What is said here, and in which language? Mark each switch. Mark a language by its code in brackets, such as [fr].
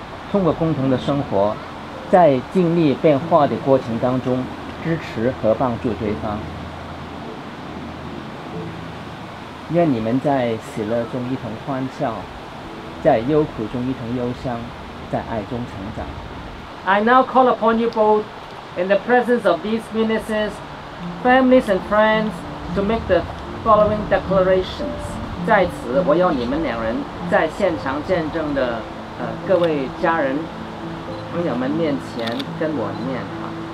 [zh] 通过共同的生活，在经历变化的过程当中支持和帮助对方。愿你们在喜乐中一同欢笑，在忧苦中一同忧伤，在爱中成长。 [en] I now call upon you both in the presence of these witnesses, families and friends to make the following declarations. [zh] 在此我要你们两人在现场见证的各位家人朋友们面前跟我念啊。